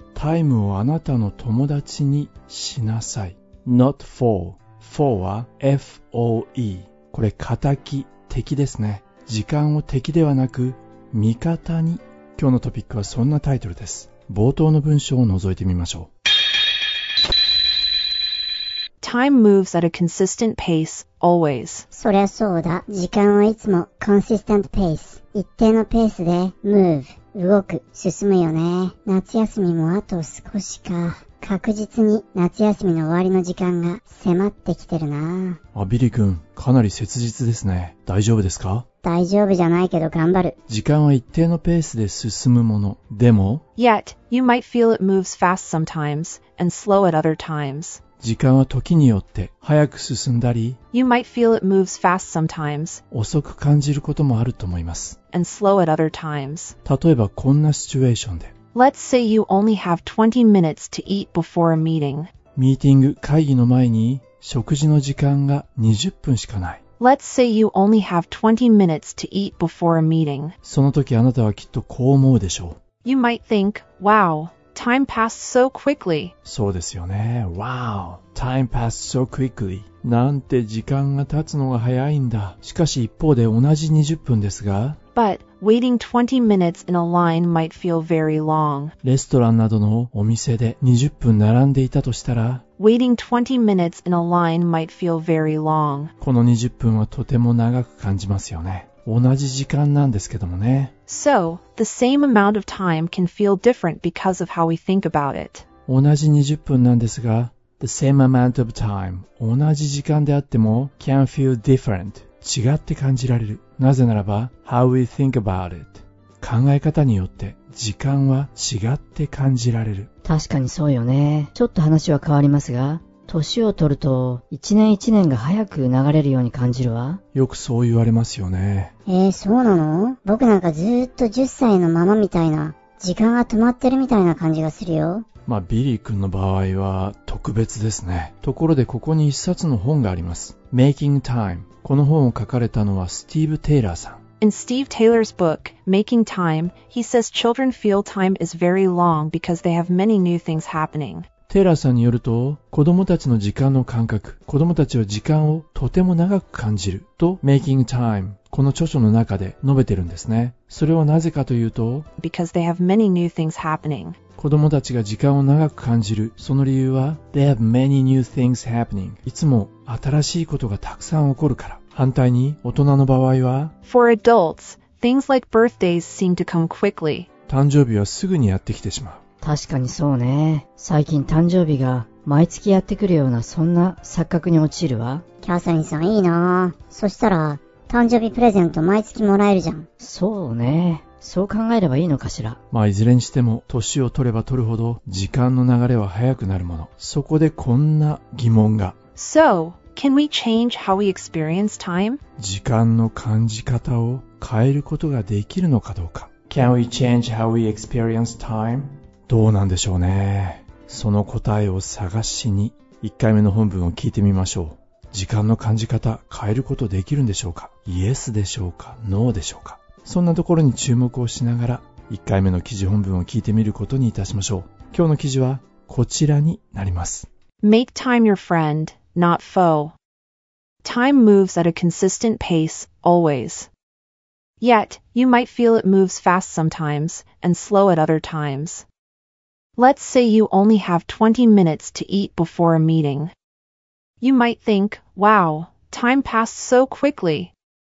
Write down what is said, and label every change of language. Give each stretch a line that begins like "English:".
Japanese: タイムをあなたの友達にしなさい。
English: Not foe. Foe は F-O-E。
Japanese: これ仇、敵ですね。時間を敵ではなく味方に。今日のトピックはそんなタイトルです。冒頭の文章を覗いてみましょう。
English: Time moves at a consistent pace, always.
Japanese: そりゃそうだ。時間はいつも
English: consistent pace、
Japanese: 一定のペースで move、 動く、進むよね。夏休みもあと少しか。確実に夏休みの終わりの時間が迫ってきてるな。あ、ビリ君、かなり切実ですね。大丈夫ですか？大丈夫じゃないけど頑張る。時間は一定のペースで進むもの。でも、
English: Yet, you might feel it moves fast sometimes and slow at other times.
Japanese: 時間は時によって早く進んだり、
English: You might feel it moves fast sometimes.
Japanese: 遅く感じることもあると思います。
English: And slow at other times.
Japanese: 例えばこんなシチュエーションで。
English: Let's say you only have 20 minutes to eat before a meeting.
Japanese: ミーティング、会議の前に食事の時間が20分しかない。
English: Let's say you only have 20 minutes to eat before a meeting.
Japanese: その時あなたはきっとこう思うでしょう。
English: You might think, wow, time passed so quickly.
Japanese: そうですよね。
English: Wow, time passed so quickly.
Japanese: なんて時間が経つのが早いんだ。しかし一方で同じ20分ですが。
English: But waiting 20 minutes in a line might feel very long.
Japanese: レストランなどのお店で20分並んでいたとしたら。
English: Waiting 20 minutes in a line might feel very long.
Japanese: この20分はとても長く感じますよね。同じ時間なんですけどもね。
English: So, the same amount of time can feel different because of how we think about it.
Japanese: 同じ20分なんですが、
English: the same amount of time,
Japanese: 同じ時間であっても
English: can feel different,
Japanese: 違って感じられる。なぜならば、
English: how we think about it,
Japanese: 考え方によって時間は違って感じられる。確かにそうよね。ちょっと話は変わりますが、年を取ると一年一年が早く流れるように感じるわ。よくそう言われますよね。そうなの？僕なんかずっと10歳のままみたいな、時間が止まってるみたいな感じがするよ。まあビリー君の場合は特別ですね。ところでここに一冊の本があります。
English: Making Time。
Japanese: この本を書かれたのはスティーブ・テイラーさん。
English: In Steve Taylor's book, Making Time, he says children feel time is very long because they have many new things happening.
Japanese: テイラーさんによると、子供たちの時間の感覚、子供たちは時間をとても長く感じると、Making Time、この著書の中で述べてるんですね。それはなぜかというと、
English: Because they have many new things happening.
Japanese: 子供たちが時間を長く感じる、その理由は、
English: They have many new things happening.
Japanese: いつも新しいことがたくさん起こるから。反対に大人の場合は
English: For adults, things like birthdays seem to come quickly.
Japanese: 誕生日はすぐにやってきてしまう。確かにそうね。最近誕生日が毎月やってくるようなそんな錯覚に陥るわ。キャサリンさんいいな。そしたら誕生日プレゼント毎月もらえるじゃん。そうね。そう考えればいいのかしら。まあいずれにしても年を取れば取るほど時間の流れは早くなるもの。そこでこんな疑問が。
English: So,Can we change how we experience time?
Japanese: 時間の感じ方を変えることができるのかどうか。
English: Can we change how we experience time?
Japanese: どうなんでしょうね。その答えを探しに1回目の本文を聞いてみましょう。時間の感じ方変えることできるんでしょうか。Yes でしょうか。No でしょうか。そんなところに注目をしながら1回目の記事本文を聞いてみることにいたしましょう。今日の記事はこちらになります。
English: Make time your friendNot foe. Time moves at a consistent pace, always. Yet, you might feel it moves fast sometimes, and slow at other times. Let's say you only have 20 minutes to eat before a meeting. You might think, wow, time passed so quickly.